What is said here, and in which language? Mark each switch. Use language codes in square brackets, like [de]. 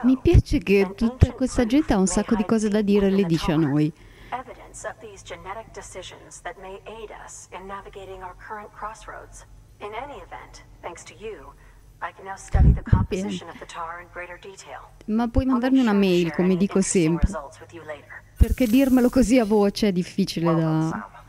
[it] mi piace che tutta questa gente ha un sacco di cose da dire e le dice a noi. [en] Evidence of these genetic decisions that may aid us in navigating our current crossroads. In any event, thanks to you, I can now study the composition of the tar in greater detail. [it] Ma puoi mandarmi una mail, come dico sempre. Perché dirmelo così a voce è difficile da...